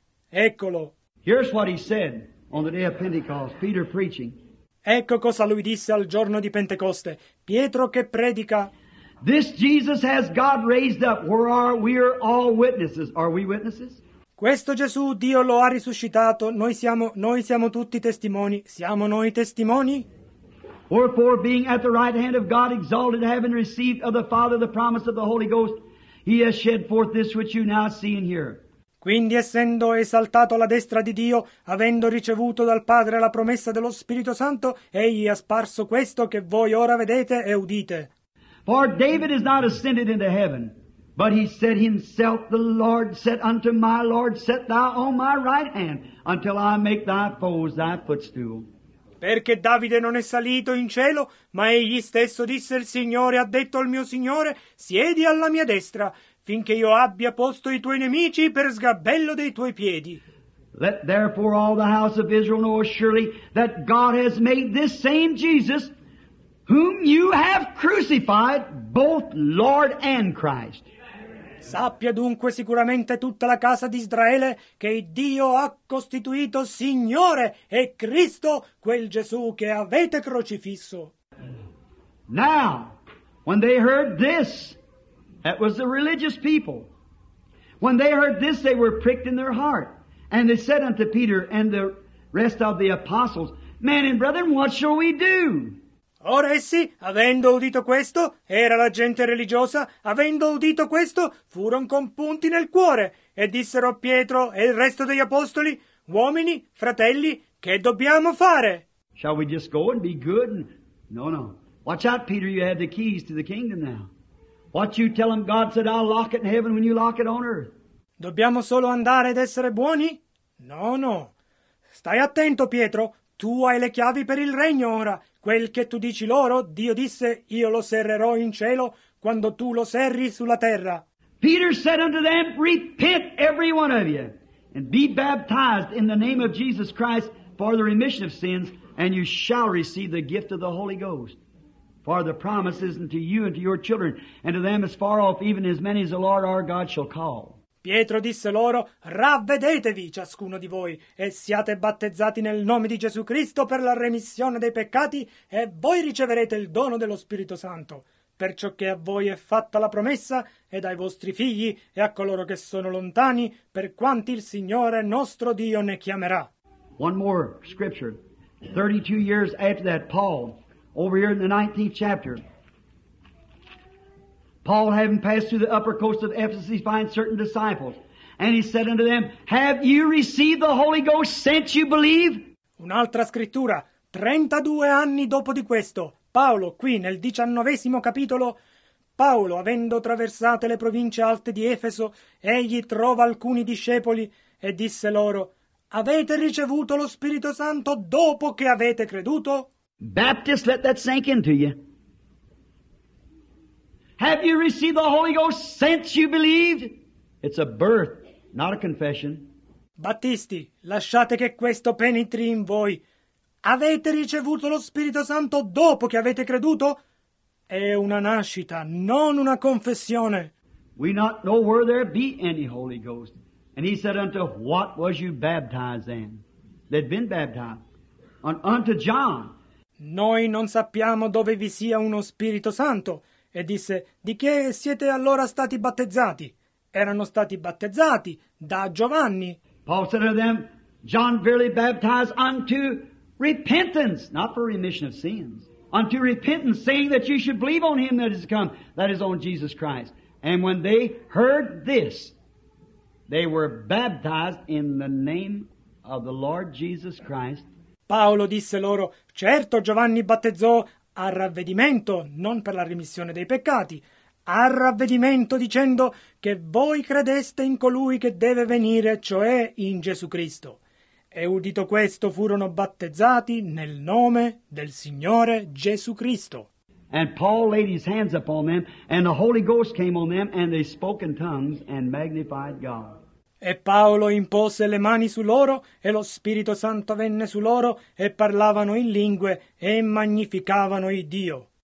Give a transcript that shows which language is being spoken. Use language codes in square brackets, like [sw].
[it] Eccolo. [en] Here's what he said. On the day of Pentecost, Peter preaching. [it] Ecco cosa lui disse al giorno di Pentecoste. Pietro che predica. [en] This Jesus has God raised up. We are all witnesses. Are we witnesses? [it] Questo Gesù Dio lo ha risuscitato. Noi siamo tutti testimoni. Siamo noi testimoni? [en] Wherefore, being at the right hand of God, exalted, having received of the Father the promise of the Holy Ghost, he has shed forth this which you now see and hear. [it] Quindi, essendo esaltato alla destra di Dio, avendo ricevuto dal Padre la promessa dello Spirito Santo, egli ha sparso questo che voi ora vedete e udite. [en] For David is not ascended into heaven, but he said himself, the Lord said unto my Lord, set thou on my right hand, until I make thy foes thy footstool. [it] Perché Davide non è salito in cielo, ma egli stesso disse il Signore, ha detto al mio Signore, siedi alla mia destra, finché io abbia posto i tuoi nemici per sgabello dei tuoi piedi. [en] Let therefore all the house of Israel know surely that God has made this same Jesus, whom you have crucified, both Lord and Christ. [it] Sappia dunque sicuramente tutta la casa di Israele che Dio ha costituito Signore e Cristo, quel Gesù che avete crocifisso. [en] Now, when they heard this, that was the religious people. When they heard this, they were pricked in their heart. And they said unto Peter and the rest of the apostles, Men and brethren, what shall we do? [it] Ora essi, avendo udito questo, era la gente religiosa, avendo udito questo, furono compunti nel cuore, e dissero a Pietro e il resto degli apostoli, Uomini, fratelli, che dobbiamo fare? [en] Shall we just go and be good? No. Watch out, Peter, you have the keys to the kingdom now. What you tell them, God said, I'll lock it in heaven when you lock it on earth. [it] Dobbiamo solo andare ed essere buoni? No, no. Stai attento, Pietro. Tu hai le chiavi per il regno ora. Quel che tu dici loro, Dio disse, io lo serrerò in cielo quando tu lo serri sulla terra. [en] Peter said unto them, repent every one of you, and be baptized in the name of Jesus Christ for the remission of sins, and you shall receive the gift of the Holy Ghost. For the promise is unto you and to your children, and to them as far off, even as many as the Lord our God shall call. [it] Pietro disse loro, ravvedetevi ciascuno di voi, e siate battezzati nel nome di Gesù Cristo per la remissione dei peccati, e voi riceverete il dono dello Spirito Santo. Perciò che a voi è fatta la promessa, ed ai vostri figli, e a coloro che sono lontani, per quanti il Signore nostro Dio ne chiamerà. [en] One more scripture. 32 years after that, Paul, over here in the 19th chapter. Paul, having passed through the upper coast of Ephesus, he finds certain disciples. And he said unto them, have you received the Holy Ghost since you believe? [it] Un'altra scrittura. 32 anni dopo di questo. Paolo, qui nel 19° capitolo, Paolo, avendo traversate le province alte di Efeso, egli trova alcuni discepoli e disse loro, avete ricevuto lo Spirito Santo dopo che avete creduto? [en] Baptist, let that sink into you. Have you received the Holy Ghost since you believed? It's a birth, not a confession. [it] Battisti, lasciate che questo penetri in voi. Avete ricevuto lo Spirito Santo dopo che avete creduto? È una nascita, non una confessione. [en] We not know where there be any Holy Ghost. And he said unto, what was you baptized in? They'd been baptized. Unto John. [it] Noi non sappiamo dove vi sia uno Spirito Santo. E disse, di che siete allora stati battezzati? Erano stati battezzati da Giovanni. [en] Paul said unto them, John verily baptized unto repentance, not for remission of sins, unto repentance, saying that you should believe on him that is come, that is on Jesus Christ. And when they heard this, they were baptized in the name of the Lord Jesus Christ. [it] Paolo disse loro, certo Giovanni battezzò a ravvedimento, non per la remissione dei peccati, a ravvedimento dicendo che voi credeste in colui che deve venire, cioè in Gesù Cristo. E udito questo, furono battezzati nel nome del Signore Gesù Cristo. [en] And Paul laid his hands upon them, and the Holy Ghost came on them, and they spoke in tongues and magnified God. [it] E Paolo impose le mani su loro, e lo Spirito Santo venne su loro, e parlavano in lingue, e magnificavano il Dio.